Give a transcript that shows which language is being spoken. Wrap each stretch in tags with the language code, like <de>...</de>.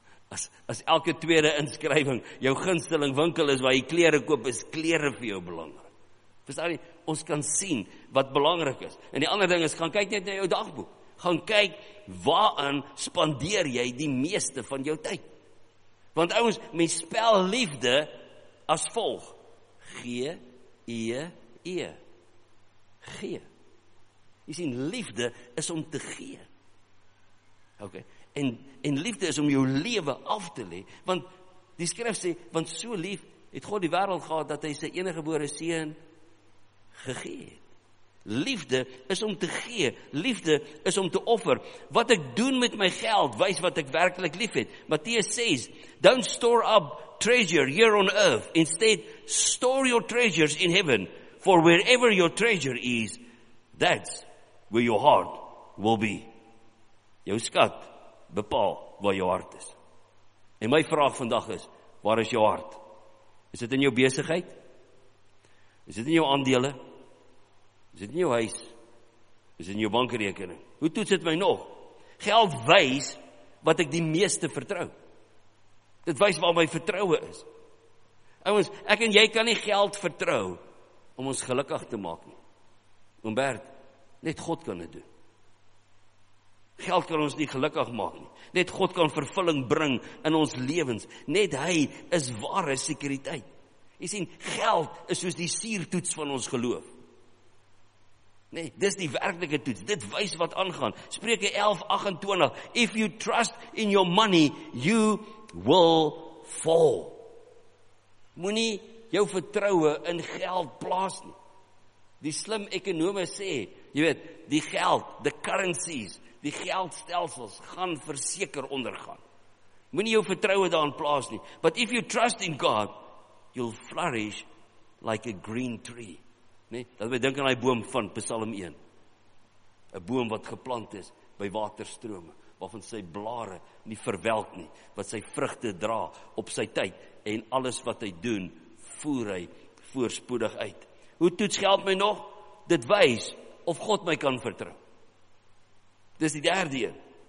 <af>As elke tweede inskrywing jou gunsteling winkel is, waar jy klere koop, is klere vir jou belangrik. Verstaan jy? Ons kan sien wat belangrik is. En die ander ding is, gaan kyk net na jou dagboek. Gaan kyk, waaraan spandeer jy die meeste van jou tyd? Want ouwens, my spel liefde as volg. G-E-E. Gee. Jy sien, liefde is om te gee. Ok. En liefde is om jou lewe af te lê. Want die skrif sê, want so lief het God die wêreld gehad, dat hy sy enige gebore seun gegee het. Liefde is om te gee. Liefde is om te offer. Wat ek doen met my geld, wys wat ek werkelijk lief het.</af> <en>Matteus 6, don't store up treasure here on earth. Instead, store your treasures in heaven. For wherever your treasure is, that's where your heart will be.</en> <af>Jou skat bepaal waar jou hart is. En my vraag vandag is, waar is jou hart? Is dit in jou besigheid? Is dit in jou aandele? Is dit in jou huis? Is dit in jou bankrekening? Hoe toets dit my nog? Geld wys wat ek die meeste vertrou. Dit wys waar my vertroue is. Ouens, ek en jy kan nie geld vertrou om ons gelukkig te maak nie. Oom Bert, net God kan dit doen. Geld kan ons nie gelukkig maak nie. Net God kan vervulling bring in ons lewens. Net hy is ware sekuriteit. Jy sien, geld is soos die suurtoets van ons geloof. Nee, dis die werklike toets. Dit wys wat aangaan. Spreuke 11:28.</af> <en>If you trust in your money, you will fall.</en> <af>Moenie jou vertroue in geld plaas nie. Die slim ekonome sê, jy weet, die geld, the currencies, die geldstelsels gaan verseker ondergaan. Moenie jou vertroue daarin plaas nie.</af> <en>But if you trust in God, you'll flourish like a green tree.</en> <af>Nee, dat we denk aan die boom van Psalm 1. Een boom wat geplant is by waterstrome, waarvan sy blare nie verwelk nie, wat sy vrugte dra op sy tyd, en alles wat hy doen, voer hy voorspoedig uit. Hoe toets geld my nog? Dit wys of God my kan vertrou. Dis die derde een.</af>